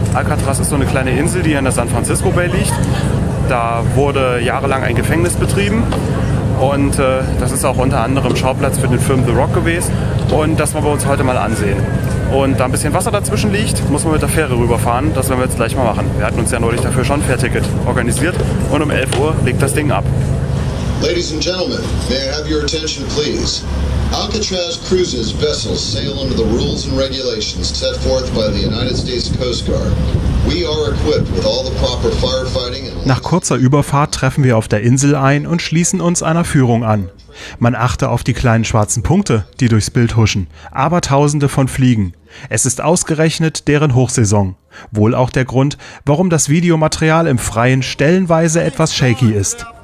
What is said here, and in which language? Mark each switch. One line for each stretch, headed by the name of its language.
German: Alcatraz ist so eine kleine Insel, die in der San Francisco Bay liegt. Da wurde jahrelang ein Gefängnis betrieben. Und das ist auch unter anderem Schauplatz für den Film The Rock gewesen. Und das wollen wir uns heute mal ansehen. Und da ein bisschen Wasser dazwischen liegt, muss man mit der Fähre rüberfahren. Das werden wir jetzt gleich mal machen. Wir hatten uns ja neulich dafür schon ein Fährticket organisiert. Und um 11 Uhr legt das Ding ab.
English: Ladies and gentlemen, may I have your attention please? Alcatraz Cruises vessels sail under the rules and regulations set forth by the United States Coast Guard. We are equipped with all the proper firefighting and...
German: Nach kurzer Überfahrt treffen wir auf der Insel ein und schließen uns einer Führung an. Man achte auf die kleinen schwarzen Punkte, die durchs Bild huschen. Aber tausende von Fliegen. Es ist ausgerechnet deren Hochsaison. Wohl auch der Grund, warum das Videomaterial im Freien stellenweise etwas shaky ist.